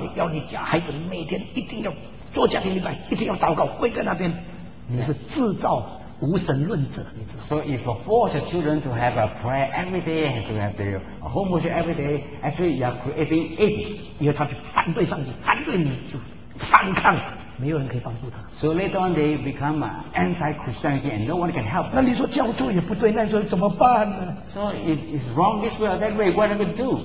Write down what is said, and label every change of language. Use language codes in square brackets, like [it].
[zh] 你要你家孩子每天一定要做家庭礼拜，一定要祷告，跪在那边。你是制造。无神论者，你知道。 [en] So if you force your children to have a prayer every day and to have a home worship every day, actually you are creating atheists. [zh] 因为他去反对上帝，反对你就反抗，没有人可以帮助他。 [en] So later on they become anti-Christianity and no one can help. [zh] 那你说教宗也不对，那你说怎么办呢？ [en] So it's wrong this way or that way. What are we going to do?